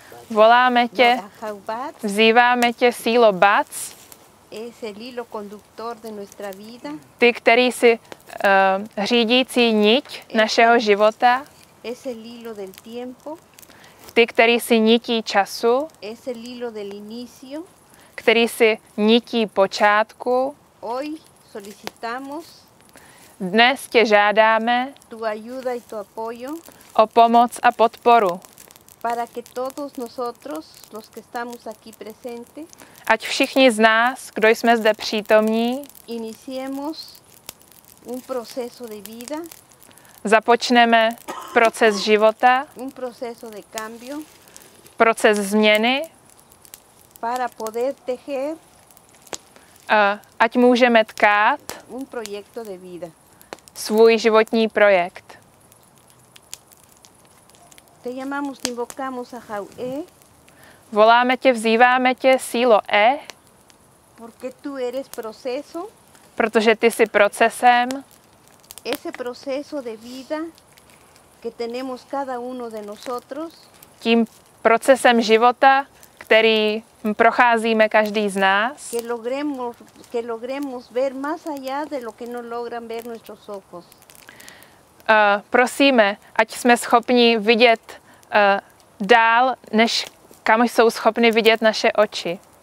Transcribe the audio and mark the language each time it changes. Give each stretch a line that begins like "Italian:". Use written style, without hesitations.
Czech: Voláme tě, vzýváme tě, sílo Bac.
Spanish: Es el hilo conductor de nuestra vida.
Czech: Ty, který jsi řídící niť našeho života.
Spanish: Es el hilo del tiempo.
Czech: Ty, který jsi nití času.
Spanish: Es el hilo del inicio.
Czech: Který jsi nití počátku.
Spanish: Hoy solicitamos.
Czech: Dnes tě žádáme.
Spanish: Tu ayuda y tu apoyo.
Czech: O pomoc a podporu.
Spanish: Para que todos nosotros, los que estamos aquí presentes,
Czech: ať všichni z nás, kdo jsme zde přítomní,
Spanish: iniciemos un proceso de vida,
Czech: započneme proces života,
Spanish: un proceso de cambio,
Czech: proces změny,
Spanish: para poder tejer,
Czech: ať můžeme tkát
Spanish: un proyecto de vida,
Czech: svůj životní projekt.
Spanish: Te llamamos, te invocamos a Jau E.
Czech: Voláme tě, vzýváme tě, sílo E.
Spanish: Porque tú eres proceso.
Czech: Protože ty jsi procesem.
Spanish: Ese proceso de vida que tenemos cada uno de nosotros.
Czech: Tím procesem života, který procházíme každý z nás.
Spanish: Que logremos ver más allá de lo que no logran ver nuestros ojos.
Czech: Prosíme, ať jsme schopni vidět dál, než kam jsou schopni vidět naše oči.